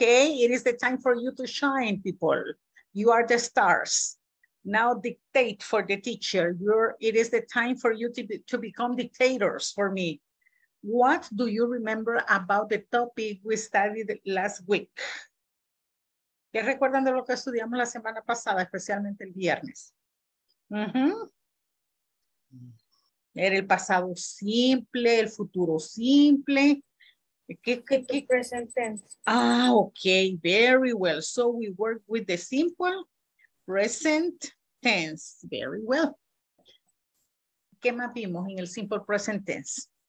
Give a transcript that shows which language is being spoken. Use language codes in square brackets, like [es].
[en] It is the time for you to shine, people. You are the stars. Now dictate for the teacher. It is the time for you to become dictators for me. What do you remember about the topic we studied last week? [es] ¿Qué recuerdan de lo que estudiamos la semana pasada, especialmente el viernes? Uh-huh. Era el pasado simple, el futuro simple. ¿Qué? [en] Present tense. Ah, okay, very well. So we work with the simple present tense. Very well. [es] ¿Qué más vimos en el simple present tense?